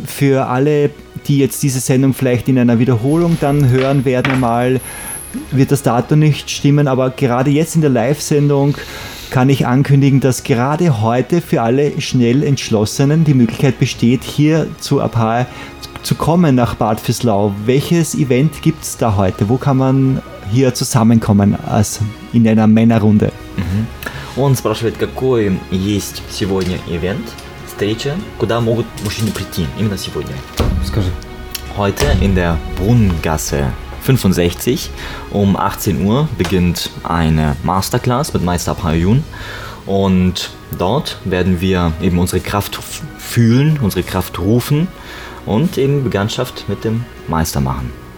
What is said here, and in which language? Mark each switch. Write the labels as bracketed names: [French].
[German] Für alle, die jetzt diese Sendung vielleicht in einer Wiederholung dann hören werden, mal wird das Datum nicht stimmen, aber gerade jetzt in der Live-Sendung kann ich ankündigen, dass gerade heute für alle schnell Entschlossenen die Möglichkeit besteht, hier zu Abhay zu kommen nach Bad Vöslau. Welches Event gibt es da heute? Wo kann man hier zusammenkommen als in einer Männerrunde? [Russian] Und спрашивает, какой есть сегодня Event? Встреча, куда могут мужчины прийти именно сегодня. Скажи. [German] Heute in der Brunnengasse 65 um 18 Uhr beginnt eine Masterclass mit Meister Abhay Yun und dort werden wir eben unsere Kraft fühlen, unsere Kraft rufen und eben Bekanntschaft mit dem Meister machen.